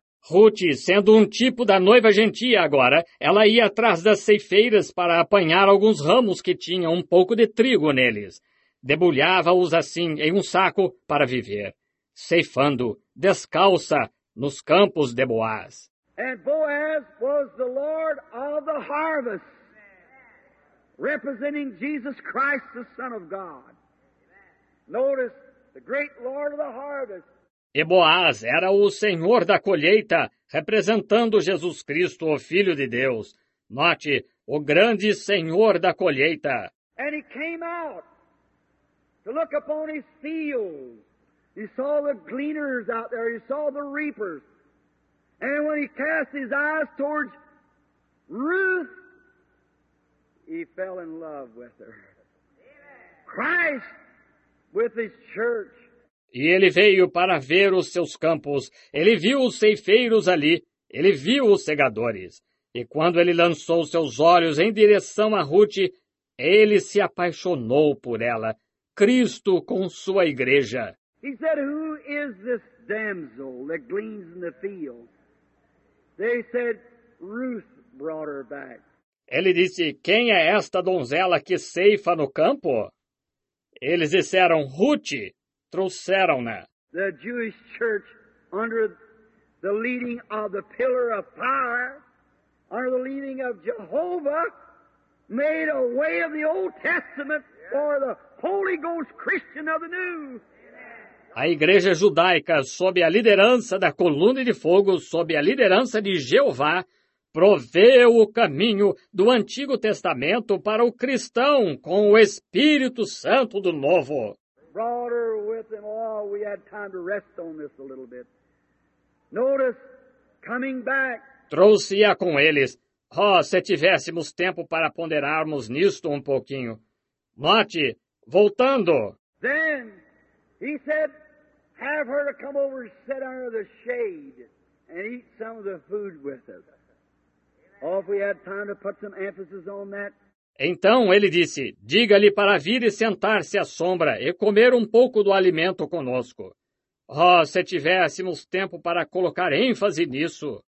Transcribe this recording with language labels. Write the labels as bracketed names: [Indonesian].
[Portuguese] Ruth, sendo um tipo da noiva gentia agora, ela ia atrás das ceifeiras para apanhar alguns ramos que tinham um pouco de trigo neles. Debulhava-os assim em um saco para viver, ceifando, descalça, nos campos de Boaz. [English] And Boaz was the Lord of the harvest, representing Jesus Christ, the Son of God. Notice, the great Lord of the harvest. [Portuguese] E Boaz era o Senhor da colheita, representando Jesus Cristo, o Filho de Deus. Note, o grande Senhor da colheita. [English] And he came out to look upon his fields. He saw the gleaners out there, he saw the reapers. And when he cast his eyes towards Ruth, he fell in love with her. Christ with his church. [Portuguese] E ele veio para ver os seus campos, ele viu os ceifeiros ali, ele viu os segadores. E quando ele lançou seus olhos em direção a Ruth, ele se apaixonou por ela, Cristo com sua igreja. [English] He said, who is this damsel that gleans in the field? They said, Ruth brought her back. [Portuguese] Ele disse, quem é esta donzela que ceifa no campo? Eles disseram, Ruth. Trouxeram-na. [English] The Jewish church, under the leading of the pillar of fire, under the leading of Jehovah, made a way of the Old Testament for the Holy Ghost Christian of the New. [Portuguese] A igreja judaica, sob a liderança da coluna de fogo, sob a liderança de Jeová, proveu o caminho do Antigo Testamento para o cristão com o Espírito Santo do Novo. [English] Brought her with him. Oh, we had time to rest on this a little bit. Notice, coming back. [Portuguese] Trouxe-a com eles. Oh, se tivéssemos tempo para ponderarmos nisto um pouquinho. Note, voltando. [English] Then, he said, have her to come over and sit under the shade and eat some of the food with us. Oh, if we had time to put some emphasis on that. [Portuguese] Então ele disse, diga-lhe para vir e sentar-se à sombra e comer um pouco do alimento conosco. Oh, se tivéssemos tempo para colocar ênfase nisso.